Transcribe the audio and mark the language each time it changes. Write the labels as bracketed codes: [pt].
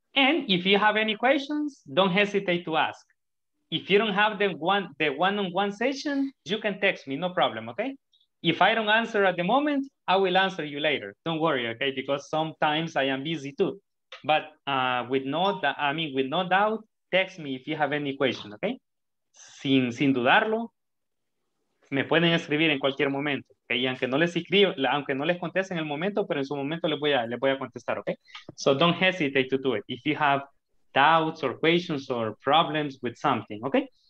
[en] And if you have any questions, don't hesitate to ask. If you don't have the one-on-one session, you can text me, no problem, okay? If I don't answer at the moment, I will answer you later. Don't worry, okay? Because sometimes I am busy too. But with no doubt, text me if you have any question, okay? [es] Sin dudarlo, me pueden escribir en cualquier momento, okay? Y aunque no les conteste en el momento, pero en su momento les voy a contestar, okay? [en] So don't hesitate to do it if you have doubts or questions or problems with something, okay?